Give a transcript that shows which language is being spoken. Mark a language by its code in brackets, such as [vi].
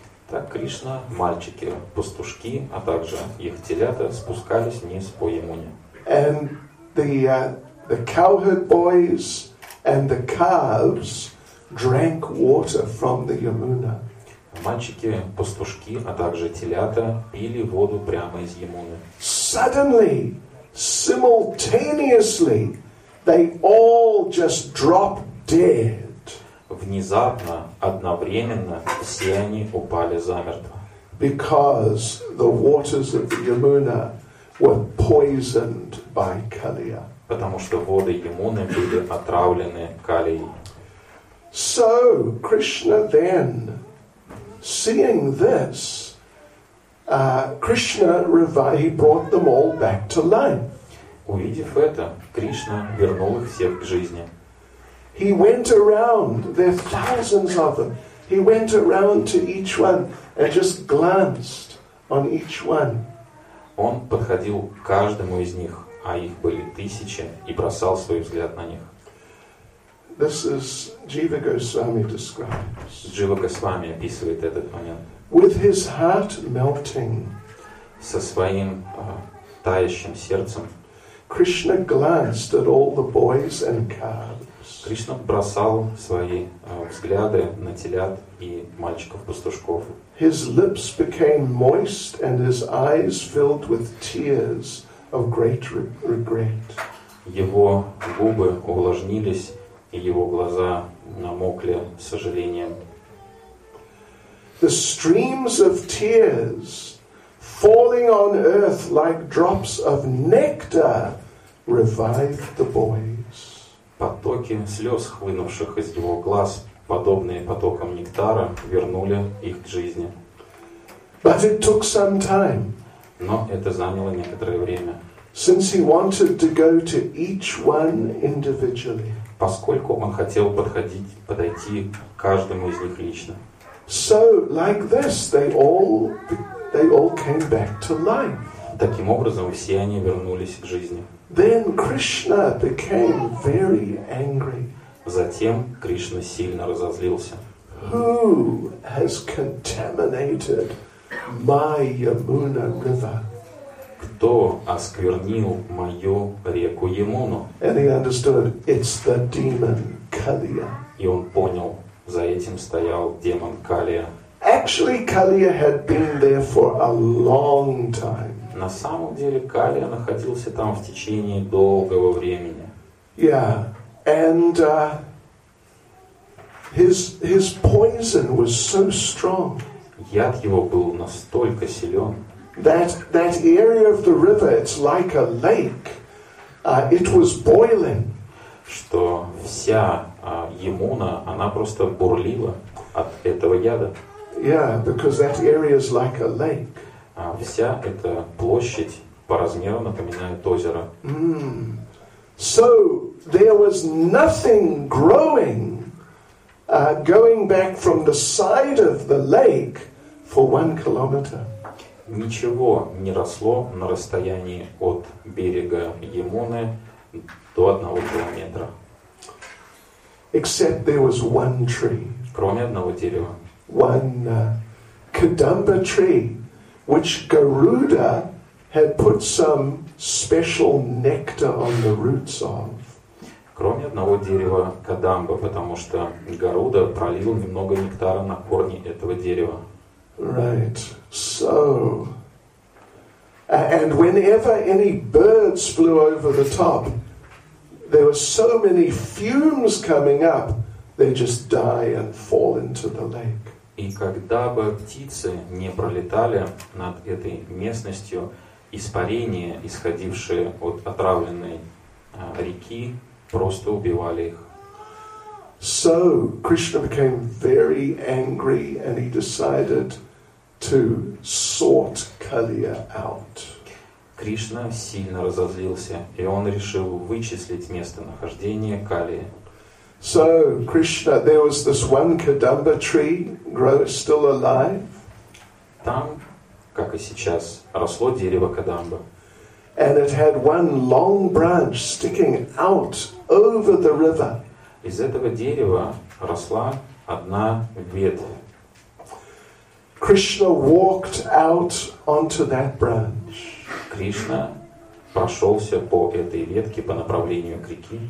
[ru] Так Кришна, мальчики, пастушки, а также их телята спускались вниз по Ямуне. [en] And the cowherd boys and the calves drank water from the Yamuna. [ru] Мальчики-пастушки, а также телята, пили воду прямо из емуны. [en] Suddenly, simultaneously, they all just drop dead. [ru] Внезапно, одновременно, все они упали замертво. [en] Because the waters of the Yamuna were poisoned by Kaliya. [ru] Потому что воды Ямуны были отравлены Калией. [en] So Krishna then, seeing this, Krishna revived, he brought them all back to life. [ru] Увидев это, Кришна вернул их всех к жизни. [en] He went around, there are thousands of them. He went around to each one and just glanced on each one. [ru] Он подходил к каждому из них, а их были тысячи, и бросал свой взгляд на них. [en] This is Jiva Goswami describes. [ru] Jiva Goswami описывает этот момент. [en] With his heart melting, [ru] со своим тающим сердцем, [en] Krishna glanced at all the boys and calves. [ru] Кришна бросал свои взгляды на телят и мальчиков-пастушков. [en] His lips became moist and his eyes filled with tears of great regret. [ru] Его губы увлажнились, и его глаза намокли сожалением. [en] The streams of tears falling on earth like drops of nectar revived the boys. [ru] Потоки слез, хлынувших из его глаз, подобные потокам нектара, вернули их к жизни. [en] But it took some time. [ru] Но это заняло некоторое время. [en] Since he wanted to go to each one individually. [ru] Поскольку он хотел подойти к каждому из них лично. [en] So, like this, they all came back to life. [ru] Таким образом, все они вернулись к жизни. [en] Then Krishna became very angry. [ru] Затем Кришна сильно разозлился. [en] Who has contaminated my Yamuna River? [ru] Кто осквернил мою реку Ямуну? [en] And he understood, it's the demon Kaliya. [ru] И он понял, за этим стоял демон Калия. [en] Actually, Kaliya had been there for a long time. [ru] На самом деле Калия находился там в течение долгого времени. [en] Yeah, and his poison was so strong. [ru] Яд его был настолько силен. [en] That area of the river, it's like a lake. It was boiling. [ru] Что вся Ямуна, она просто бурлила от этого яда. [en] Yeah, because that area is like a lake. [ru] Вся эта площадь по размеру напоминает озеро. [en] So there was nothing growing, going back from the side of the lake for 1 kilometer. [ru] Ничего не росло на расстоянии от берега Ямуны до 1 километра. [en] Except there was one tree. [ru] Кроме одного дерева. [en] One Kadamba tree, which Garuda had put some special nectar on the roots of. [ru] Кроме одного дерева Кадамба, потому что Гаруда пролил немного нектара на корни этого дерева. [en] Right. So, and whenever any birds flew over the top, there were so many fumes coming up, they just die and fall into the lake. [ru] И когда бы птицы не пролетали над этой местностью, испарения, исходившие от отравленной реки, просто убивали их. [en] So Krishna became very angry, and he decided to sort Kaliya out. [ru] Кришна сильно разозлился, и он решил вычислить местонахождение Калии. [en] So Krishna, there was this one Kadamba tree grow still alive. [ru] Там, как и сейчас, росло дерево Кадамба. [en] And it had one long branch sticking out over the river. [ru] Из этого дерева росла одна ветвь. [en] Krishna walked out onto that branch. [ru] Кришна прошелся по этой ветке по направлению к реке.